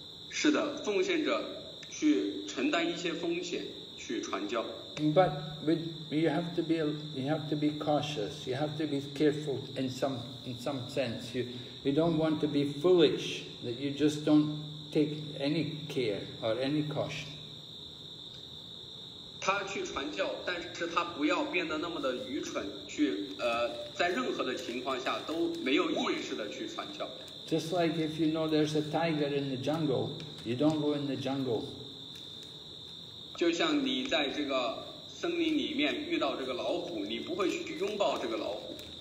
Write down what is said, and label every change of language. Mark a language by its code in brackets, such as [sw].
[zh] 是的，奉献者去承担一些风险去传教。 [en] But you have to be cautious. You have to be careful in some sense. You don't want to be foolish that you just don't take any care or any caution. [zh] 他去传教，但是他不要变得那么的愚蠢，去在任何的情况下都没有意识的去传教。 [en] Just like if you know there's a tiger in the jungle, you don't go in the jungle. [zh] 就像你在这个森林里面遇到这个老虎，你不会去拥抱这个老虎。